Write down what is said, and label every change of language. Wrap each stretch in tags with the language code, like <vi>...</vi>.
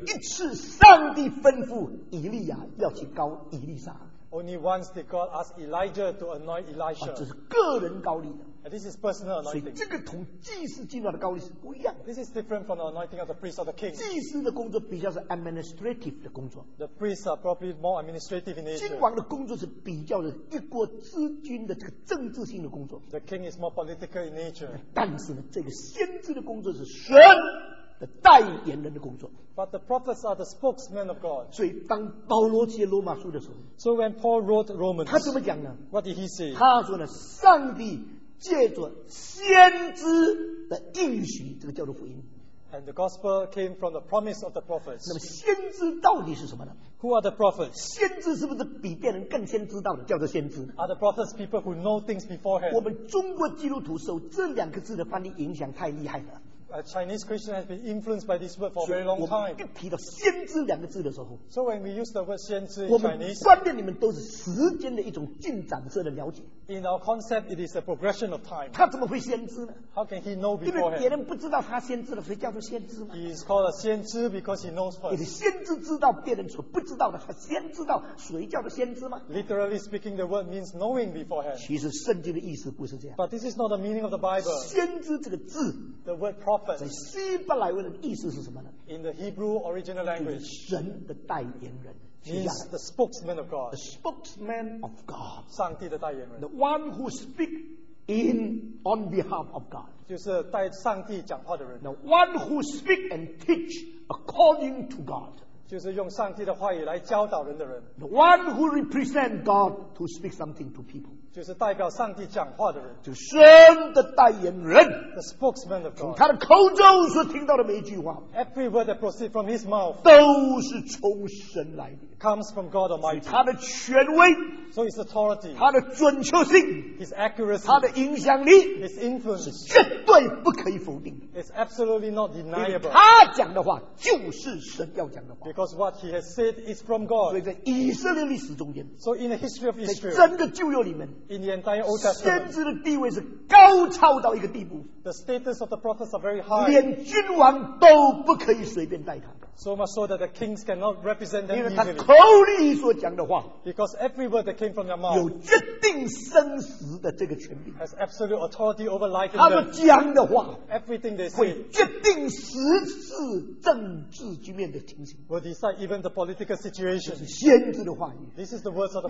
<zh>一次上帝吩咐以利亚要去膏以利沙。</zh> <en>Only once did God ask Elijah to anoint Elisha.</en> <zh>这是个人膏力的。</zh> <en>And this is personal anointing.</en> <zh>所以这个同祭司进入的膏力是不一样的。</zh> <en>This is different from the anointing of the priest or the king.</en> <zh>祭司的工作比较是</zh> <en>administrative</en> <zh>的工作。</zh> <en>The priests are probably more administrative in nature.</en> <zh>君王的工作是比较的一国之君的这个政治性的工作。</zh> <en>The king is more political in nature.</en> <zh>但是呢，这个先知的工作是神的代言人的工作。</zh> <en>But the prophets are the spokesmen of God.</en> <zh>所以当保罗写罗马书的时候</zh> <en>，So when Paul wrote Romans,</en> <zh>他怎么讲呢</zh> <en>？What did he say?</en> <zh>他说呢，上帝借着先知的应许，这个叫做福音。</zh> <en>And the gospel came from the promise of the prophets.</en> <zh>那么先知到底是什么呢</zh> <en>？Who are the prophets?</en> <zh>先知是不是比别人更先知道的，叫做先知</zh> <en>？Are the prophets people who know things beforehand?</en> <zh>我们中国基督徒受这两个字的翻译影响太厉害了。</zh> <en>A Chinese Christian has been influenced by this word for a very long time.</en> <zh>一提到先知两个字的时候</zh> <en>，So when we use the word 先知 in Chinese,</en> <zh>我们观念里面都是时间的一种进展式的了解。</zh> <en>In our concept, it is a progression of time.</en> <zh>他怎么会先知呢</zh> <en>？How can he know beforehand?</en> <zh>因为别人不知道他先知了，所以叫做先知嘛。</zh> <en>He is called a 先知 because he knows first.</en> <zh>也是先知知道别人所不知道的，他先知道，所以叫做先知吗</zh> <en>？Literally speaking, the word means knowing beforehand.</en> <zh>其实圣经的意思不是这样。</zh> <en>But this is not the meaning of the Bible.</en> <zh>先知这个字</zh> <en>，the word prophet.</en> <zh>在希伯来文的意思是什么呢</zh> <en>？In the Hebrew original language,</en> <zh>就是神的代言人。</zh> <en>He's the spokesman of God. The spokesman of God.</en> <zh>上帝的代言人。</zh> <en>The one who speaks in on behalf of God.</en> <zh>就是代上帝讲话的人。</zh> <en>The one who speaks and teach according to God.</en> <zh>就是用上帝的话语来教导人的人。</zh> <en>The one who represents God to speak something to people.</en> <zh>就是代表上帝讲话的人，就是神的代言人</zh> <en>，the spokesman of God。</en> <zh>从他的口中所听到的每一句话</zh> <en>，every word that proceeds from his mouth，</en> <zh>都是从神来的</zh> <en>，comes from God Almighty。</en> <zh>他的权威</zh> <en>，so his authority，</en> <zh>他的准确性</zh> <en>，his accuracy，</en> <zh>他的影响力</zh> <en>，his influence，</en> <zh>是绝对不可以否定的</zh> <en>，is absolutely not deniable。</en> <zh>他讲的话就是神要讲的话</zh> <en>，because what he has said is from God。</en> <zh>所以在以色列历史中间</zh> <en>，so in the history of Israel，</en> <zh>在整个旧约里面。</zh> <en>In the entire Old Testament,</en> <zh>先知的地位是高超到一个地步</zh> <en>The status of the prophets are very high.</en> <zh>连君王都不可以随便代他</zh> <en>So much so that the kings cannot represent them easily.</en> <zh>因为他口里所讲的话</zh> <en>Because every word that came from their mouth</en> <zh>有决定生死的这个权利</zh> <en>Has absolute authority over life.</en> <zh>他们讲的话</zh> <en>Everything they say</en> <zh>会决定实质政治局面的情形</zh> <en>Will decide even the political situation.</en> <zh>这是先知的话语</zh> <en>This is the words of the prophets.</en>